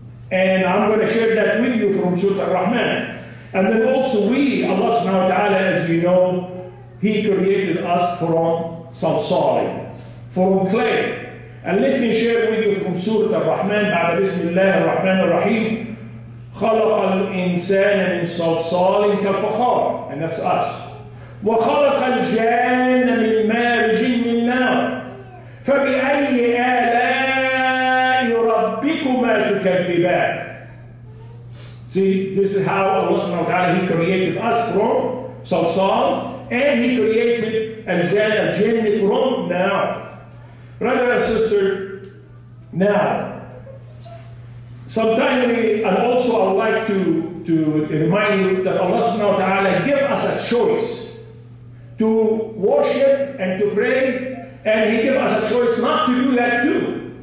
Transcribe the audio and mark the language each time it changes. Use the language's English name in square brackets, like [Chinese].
[English] And I'm going to share that with you from Surah Ar-Rahman. And then also we, Allah subhanahu wa ta'ala, as you know, He created us from salsali, from clay. And let me share with you from Surah Ar-Rahman, [Arabic] بعد بسم الله الرحمن الرحيم. خلق الإنسان من صلصال كالفخار. [English] And that's us. [Arabic] وخلق الجان من مارج من نار فبأي آلاء ربكما تكذبان. [English] See, this is how Allah subhanahu wa ta'ala, He created us from salsal, and He created الجان الجن from نار. Brother and sister, now sometimes, and also I'd like to remind you that Allah subhanahu wa ta'ala give us a choice to worship and to pray, and He gives us a choice not to do that too.